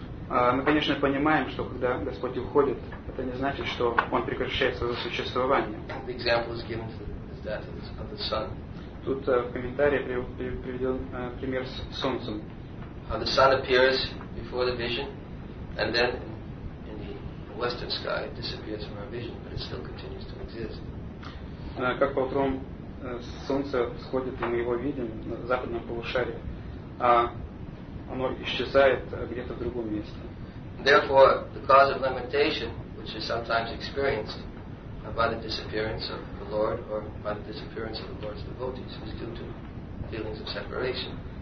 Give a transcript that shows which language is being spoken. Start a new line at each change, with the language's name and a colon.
Russian: Мы, конечно, понимаем, что когда Господь уходит, это не значит, что Он прекращает свое существование.
English: The example is given to that of the sun.
Russian: Тут в комментарии приведен пример с солнцем.
English: The sun appears before the vision, and then in the western sky it disappears from our vision, but it still continues to exist.
Russian: Как по утрам солнце сходит, и мы его видим на западном полушарии, а оно исчезает где-то в другом месте.
English: Therefore, the cause of limitation, which is sometimes experienced by the disappearance of the Lord or by the disappearance of the Lord's devotees, is due to feelings of separation.